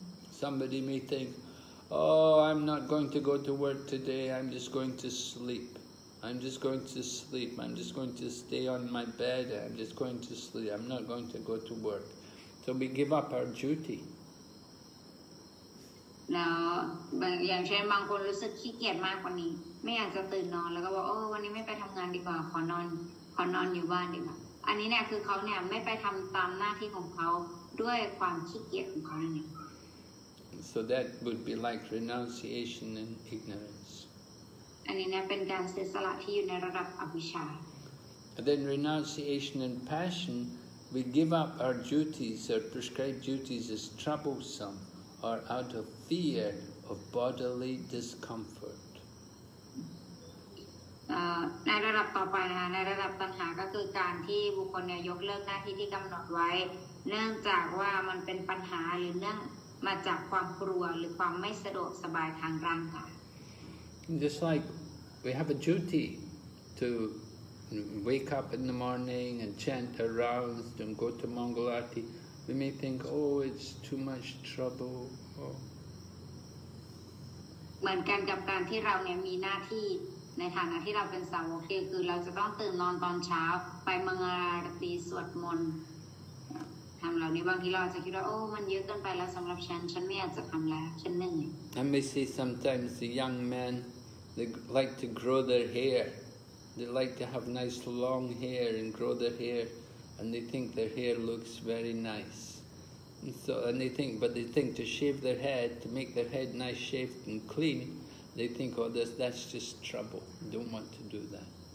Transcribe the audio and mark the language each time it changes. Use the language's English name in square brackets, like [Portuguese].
[English] Somebody may think, oh, I'm not going to go to work today. I'm just going to sleep. I'm just going to sleep. I'm just going to stay on my bed. I'm just going to sleep. I'm not going to go to work. So we give up our duty. [Thai] แล้วอย่างเช่นบางคนรู้สึกขี้เกียจมากกว่านี้ไม่อยากจะตื่นนอนแล้วก็บอกโอ้วันนี้ไม่ไปทำงานดีกว่าขอนอนอยู่บ้านดีกว่าอันนี้เนี่ยคือเขาเนี่ยไม่ไปทำตามหน้าที่ของเขาด้วยความขี้เกียจของเขานั่นเอง [English] So that would be like renunciation and ignorance. [Thai] อันนี้เนี่ยเป็นการเสียสละที่อยู่ในระดับอวิชชา [English] And then renunciation and passion, we give up our duties, our prescribed duties as troublesome or out of fear of bodily discomfort. [Thai] ในระดับต่อไปนะคะในระดับตัณหาก็คือการที่บุคคลเนี่ยยกเลิกหน้าที่ที่กำหนดไว้เนื่องจากว่ามันเป็นปัญหาหรือเนื่องมาจากความกลัวหรือความไม่สะดวกสบายทางร่างกาย [English] Just like we have a duty to wake up in the morning and chant the rounds and go to Mangalarti, we may think, oh, it's too much trouble. [Thai] เหมือนกันกับการที่เราเนี่ยมีหน้าที่ในฐานะที่เราเป็นสาวกคือเราจะต้องตื่นนอนตอนเช้าไปมังกราตีสวดมนต์ทำเหล่านี้บางทีเราจะคิดว่าโอ้มันเยอะเกินไปแล้วสำหรับฉันไม่อยากจะทำแล้วฉันเหนื่อย [English] And we see sometimes the young men they like to grow their hair they like to have nice long hair and grow their hair and they think their hair looks very nice So, and they think, but they think to shave their head, to make their head nice shaved and clean, they think, oh, that's just trouble. Don't want to do that.